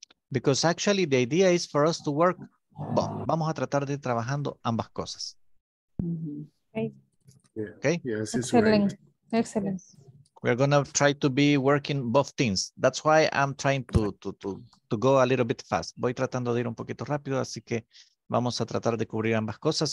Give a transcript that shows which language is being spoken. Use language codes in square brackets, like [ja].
[en] Because actually the idea is for us to work. [es] Vamos a tratar de ir trabajando ambas cosas. Mm-hmm. Okay. [en] Yes, excellent. Excellent. We're gonna try to be working both things. That's why I'm trying to go a little bit fast. [es] Voy tratando de ir un poquito rápido, así que vamos a tratar de cubrir ambas cosas.